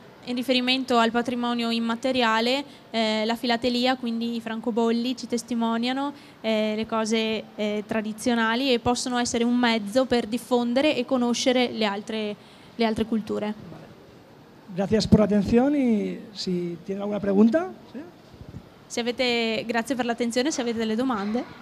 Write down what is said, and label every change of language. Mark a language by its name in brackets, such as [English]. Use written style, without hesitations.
[Italian] In riferimento al patrimonio immateriale, la filatelia, quindi i francobolli, ci testimoniano le cose tradizionali e possono essere un mezzo per diffondere e conoscere le altre culture. [Spanish] Gracias por la atención y si tienen alguna pregunta. [Italian] Se avete, grazie per l'attenzione, se avete delle domande.